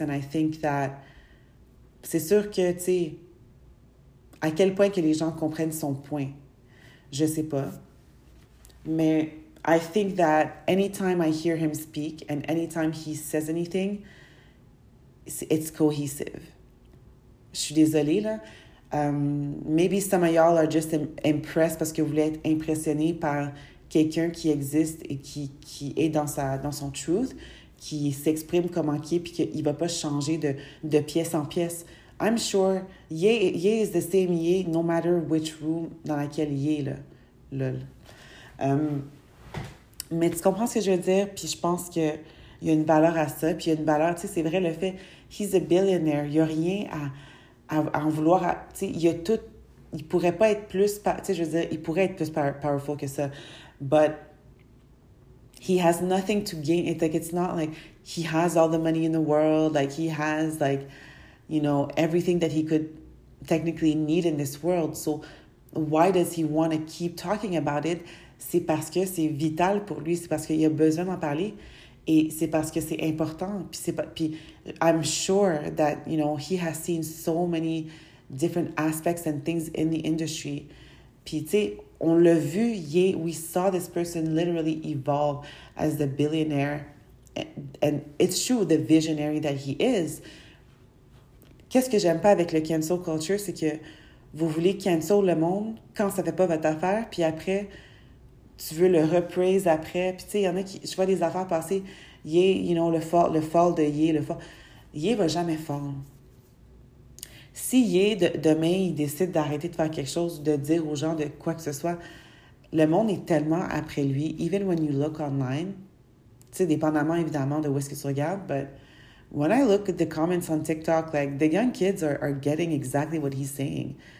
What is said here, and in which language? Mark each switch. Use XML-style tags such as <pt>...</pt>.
<en>And I think that,</en> <fr>c'est sûr que, tu sais, à quel point que les gens comprennent son point, je sais pas.</fr> <en>Mais I think that anytime I hear him speak and anytime he says anything, it's cohesive.</en> <fr>Je suis désolée, là.</fr> <en>Maybe some of y'all are just impressed</en> <fr>parce que vous voulez être impressionné par quelqu'un qui existe et qui est dans son truth, qui s'exprime comment qu'il est, puis qu'il va pas changer de pièce en pièce.</fr> <en>I'm sure Ye is the same Ye no matter which room</en> <fr>dans laquelle Ye est, là.</fr> <en>Lol.</en> <fr>Mais tu comprends ce que je veux dire? Puis je pense que il y a une valeur à ça, puis il y a une valeur, tu sais, c'est vrai, le fait,</fr> <en>he's a billionaire,</en> <fr>il n'y a rien à en vouloir, tu sais, il y a tout, il ne pourrait pas être plus, tu sais, je veux dire, il pourrait être plus powerful que ça, but</fr> <en>he has nothing to gain. It's like, it's not like he has all the money in the world. Like, he has, like, you know, everything that he could technically need in this world. So why does he want to keep talking about it?</en> <fr>C'est parce que c'est vital pour lui. C'est parce qu'il a besoin d'en parler. Et c'est parce que c'est important. Puis</fr> <en>I'm sure that, you know, he has seen so many different aspects and things in the industry.</en> <fr>Puis, tu sais, on l'a vu,</fr> <en>we saw this person literally evolve as the billionaire. And it's true, the visionary that he is.</en> <fr>Qu'est-ce que j'aime pas avec le cancel culture, c'est que vous voulez cancel le monde quand ça fait pas votre affaire, puis après, tu veux le reprise après. Puis, tu sais, il y en a qui, je vois des affaires passer, le fall. Ye va jamais fall. Si demain, il décide d'arrêter de faire quelque chose, de dire aux gens de quoi que ce soit, le monde est tellement après lui,</fr> <en>even when you look online,</en> <fr>tu sais, dépendamment, évidemment, de où est-ce que tu regardes,</fr> <en>but when I look at the comments on TikTok, like, the young kids are getting exactly what he's saying.</en>